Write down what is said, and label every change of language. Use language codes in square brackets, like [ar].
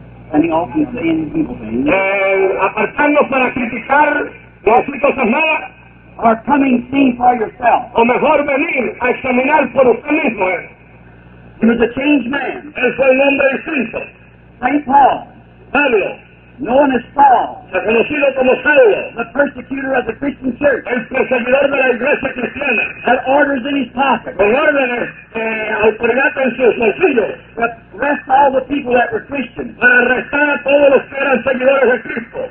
[en] Standing off and saying evil things. [es] Apartarnos para criticar y decir cosas malas. [en] Or coming seeing for yourself. [es] O mejor venir a examinar por usted mismo. [en] He was a changed man. [es] Él fue un hombre distinto. [en] St. Paul. [es] Pablo. [en] known as Saul, [es] reconocido como Saulo, [en] the persecutor of the Christian church, [es] el perseguidor de la iglesia cristiana, [en] had orders in his pocket, [es] con órdenes autoridad en sus bolsillos, [en] to arrest all the people that were Christians, [es] para arrestar a todos los que eran seguidores de Cristo,